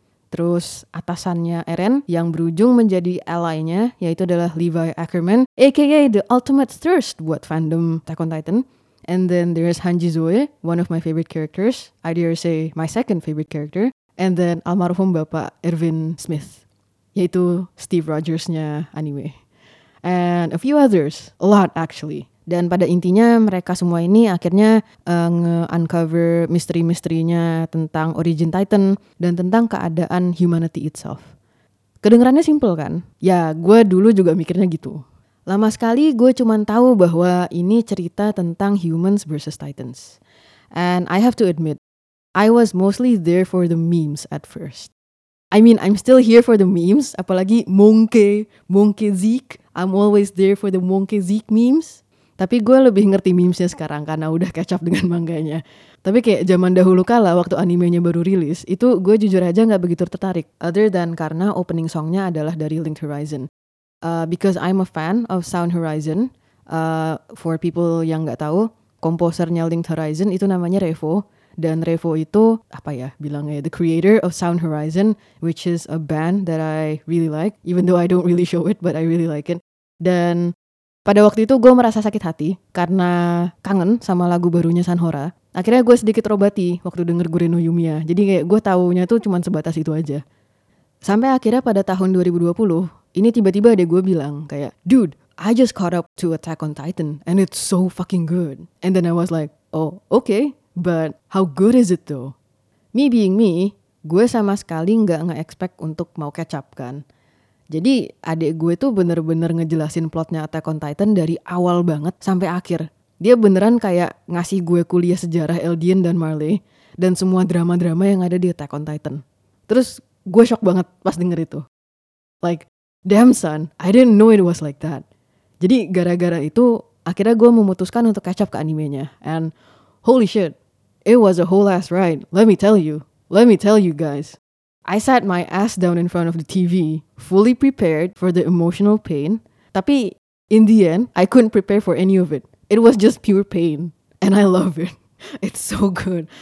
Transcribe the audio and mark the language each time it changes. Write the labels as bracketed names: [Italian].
[Indonesian] Terus atasannya Eren yang berujung menjadi ally-nya yaitu adalah Levi Ackerman, [English] aka the ultimate thirst [Indonesian] buat fandom Attack on Titan. [English] And then there's Hanji Zoe, one of my favorite characters, I dare say my second favorite character. And then [Indonesian] almarhum Bapak Irvin Smith, yaitu Steve Rogers-nya anime. [English] And a few others, a lot actually. [Indonesian] Dan pada intinya mereka semua ini akhirnya nge-uncover misteri-misterinya tentang origin Titan dan tentang keadaan [English] humanity itself. [Indonesian] Kedengarannya simple kan? Ya, gue dulu juga mikirnya gitu. Lama sekali gue cuma tahu bahwa ini cerita tentang [English] humans versus Titans. And I have to admit, I was mostly there for the memes at first. I mean, I'm still here for the memes, [Indonesian] apalagi [English] Monkey Zeke. I'm always there for the Monkey Zeke memes. [Indonesian] Tapi gue lebih ngerti memesnya sekarang karena udah catch up dengan manganya. Tapi kayak zaman dahulu kala waktu animenya baru rilis, itu gue jujur aja gak begitu tertarik. [English] Other than [Indonesian] karena opening songnya adalah dari Linked Horizon. [English] Because I'm a fan of Sound Horizon, for people [Indonesian] yang gak tahu, komposernya Linked Horizon itu namanya Revo. Dan Revo itu, apa ya, bilangnya, [English] the creator of Sound Horizon, which is a band that I really like, even though I don't really show it, but I really like it. [Indonesian] Dan pada waktu itu gue merasa [English] sakit hati [Indonesian] karena kangen sama lagu barunya Sanhora. Akhirnya gue sedikit terobati waktu denger Gure no Yumiya. Jadi kayak gue taunya tuh cuma sebatas itu aja. Sampai akhirnya pada tahun 2020, ini tiba-tiba ada gue bilang kayak, [English] dude, I just caught up to Attack on Titan and it's so fucking good. And then I was like, oh, okay, But how good is it though? Me being me, [Indonesian] gue sama sekali gak nge-expect untuk mau catch up kan. Jadi adik gue tuh bener-bener ngejelasin plotnya Attack on Titan dari awal banget sampai akhir. Dia beneran kayak ngasih gue kuliah sejarah Eldian dan Marley dan semua drama-drama yang ada di Attack on Titan. Terus gue shock banget pas denger itu. [English] Like, damn son, I didn't know it was like that. [Indonesian] Jadi gara-gara itu, akhirnya gue memutuskan untuk catch up ke animenya. [English] And holy shit, it was a whole ass ride. Let me tell you guys. I sat my ass down in front of the TV, fully prepared for the emotional pain. [Indonesian] Tapi [English] in the end, I couldn't prepare for any of it. It was just pure pain. And I love it. It's so good.